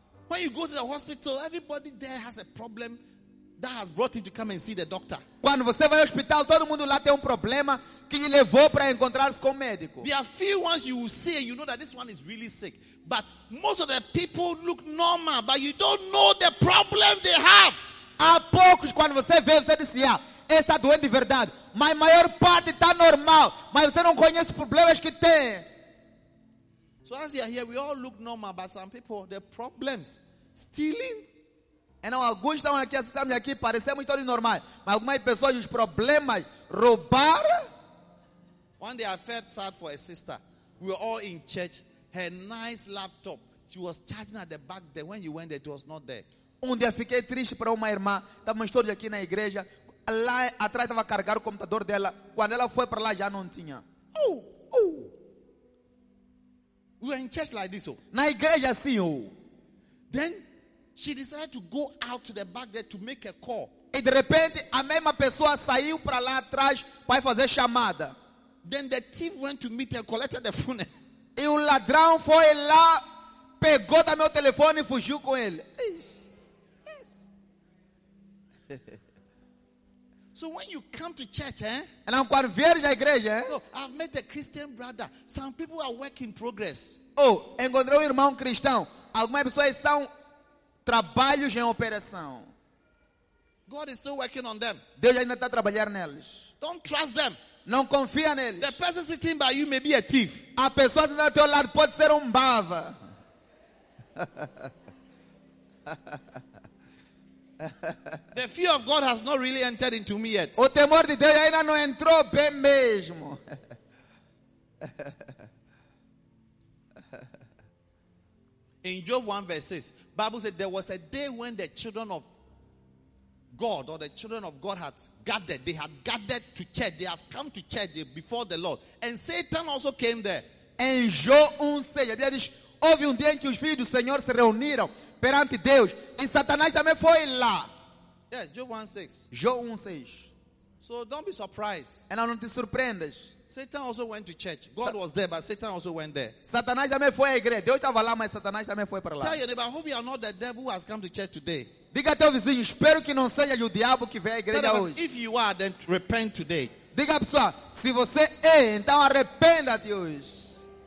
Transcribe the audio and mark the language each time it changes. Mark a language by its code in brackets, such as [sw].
[en] When you go to the hospital, everybody there has a problem that has brought him to come and see the doctor. [pt] Quando você vai ao hospital, todo mundo lá tem problema que lhe levou para encontrar-se com o médico. [en] There are few ones you will see and you know that this one is really sick. But most of the people look normal, but you don't know the problem they have. [pt] Há poucos, quando você vê, você diz, está doente de verdade. Mas a maior parte está normal. Mas você não conhece os problemas que tem. [en] So as you are here, we all look normal, but some people, their problems, stealing. [pt] E não, alguns estão aqui, assistindo aqui, parecemos todos normais. Mas algumas pessoas, os problemas, roubar. [en] One day I felt sad for a sister. We were all in church. Her nice laptop, she was charging at the back there. When you went there, it was not there. [pt] Um dia fiquei triste para uma irmã. Estávamos todos aqui na igreja. Lá atrás estava a carregar o computador dela. Quando ela foi para lá, já não tinha. Oh. [en] We were in church like this, oh. [pt] Na igreja, sim, oh. [en] Then she decided to go out to the back there to make a call. [pt] E de repente, a mesma pessoa saiu para lá atrás para fazer chamada. [en] Then the thief went to meet her, collected the phone. [pt] E o ladrão foi lá, pegou da meu telefone e fugiu com ele. [en] Yes. Yes. So when you come to church, eh? [pt] E não, quando vieres à igreja, eh? [en] So, I've met a Christian brother. Some people are work in progress. [pt] Oh, encontrei um irmão cristão. Algumas pessoas são trabalhos em operação. [en] God is still working on them. [pt] Deus ainda está trabalhando neles. [en] Don't trust them. [pt] Não confia neles. [en] The person sitting by you may be a thief. [pt] A pessoa que está ao teu lado pode ser bava. [en] The fear of God has not really entered into me yet. [pt] O temor de Deus ainda não entrou bem mesmo. [en] In Job 1 verse 6, Bible said there was a day when the children of God or the children of God had gathered. They had gathered to church. They have come to church before the Lord. And Satan also came there. [pt] Em Job 1, 6, a Bíblia diz, houve dia em que os filhos do Senhor se reuniram perante Deus. E Satanás também foi lá. [en] Yeah, Job 1, 6. [pt] Job 1, 6. [en] So don't be surprised. [pt] E não te surpreendas. [en] Satan also went to church. God was there, but Satan also went there. [pt] Satanás também foi à igreja. Deus estava lá, mas Satanás também foi para lá. [en] Tell your neighbor, I hope you are not the devil who has come to church today. [pt] Diga ao teu vizinho, espero que não seja o diabo que veio à igreja [en] tell [pt] hoje. [en] If you are, then repent today. [pt] Diga à pessoa, se você é, então arrependa-te hoje.